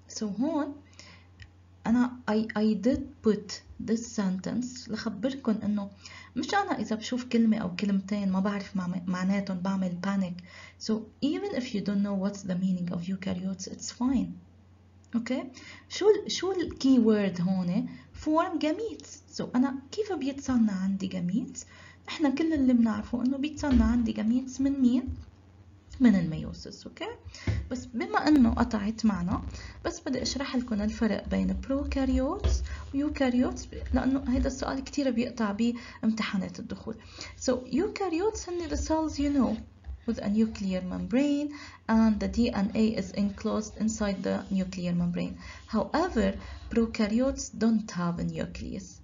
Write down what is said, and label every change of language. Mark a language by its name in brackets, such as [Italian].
[Arabic] So هون أنا [English] I did put this sentence [Arabic] لخبركن إنه مش أنا إذا بشوف كلمة أو كلمتين ما بعرف معناتهم بعمل panic. [English] So even if you don't know what's the meaning of eukaryotes, it's fine. Okay? [Arabic] شو ال [English] key word [Arabic] هون؟ [English] Form gametes. [Arabic] So أنا كيف بيتصنع عندي gametes؟ إحنا كل اللي بنعرفه إنه بيتصنع عندي gametes من مين؟ من الميوسس، اوكي؟ بس بما انه قطعت معنا، بس بدي اشرح لكم الفرق بين بروكاريوتس ويوكاريوتس لانه هذا السؤال كثير بيقطع بامتحانات الدخول. [English] So eukaryotes هن the cells you know with a nuclear membrane and the DNA is enclosed inside the nuclear membrane. However, prokaryotes don't have a nucleus.